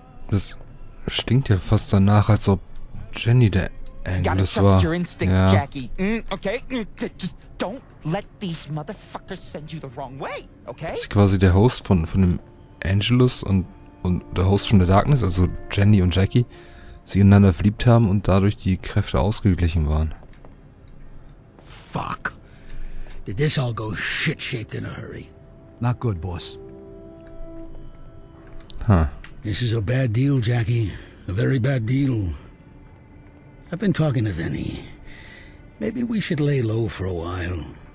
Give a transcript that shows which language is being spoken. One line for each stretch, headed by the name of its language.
German: Das stinkt ja fast danach, als ob Jenny der Angelus war.
English: Gotta trust your instincts, ja. Jackie. Okay? Just don't let these motherfuckers send you the wrong way, okay?
German: Das ist quasi der Host von dem Angelus und der Host von der Darkness, also Jenny und Jackie, sich ineinander verliebt haben und dadurch die Kräfte ausgeglichen waren.
English: Fuck. Did this all go shit-shaped in a hurry? Not good, boss. Huh. This is a bad deal, Jackie. A very bad deal. I've been talking to Vinny. Maybe we should lay low for a while.